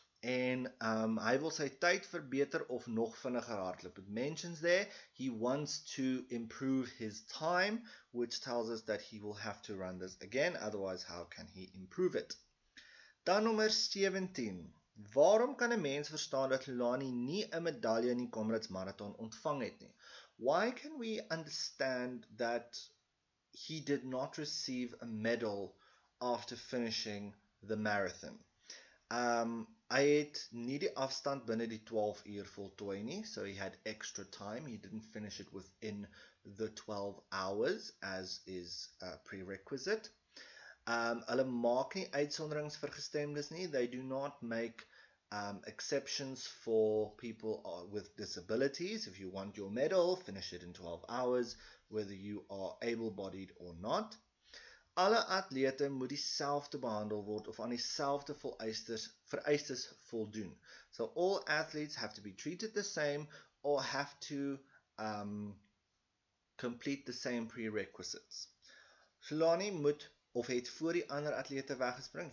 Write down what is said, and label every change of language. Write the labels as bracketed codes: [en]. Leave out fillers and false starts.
[af] En hy wil sy tyd verbeter of nog vinniger hardloop. [en] It mentions there he wants to improve his time, which tells us that he will have to run this again, otherwise how can he improve it? [af] Dan nommer 17. Waarom kan 'n mens verstaan dat Lani nie 'n medalje in die Comrades Marathon ontvang het nie? [en] Why can we understand that he did not receive a medal after finishing the marathon? [af] Hy het nie die afstand binne die 12 uur voltooi nie, [en] so he had extra time. He didn't finish it within the 12 hours, as is a prerequisite. [af] Hulle maak nie uitsonderings vir gestremdes nie. [en] They do not make exceptions for people with disabilities. If you want your medal, finish it in 12 hours, whether you are able-bodied or not. [af] Alle atlete moet dieselfde behandel word of aan dieselfde vereistes voldoen. [en] So all athletes have to be treated the same or have to complete the same prerequisites. [af] Lani moet of het voor die ander atlete weggespring.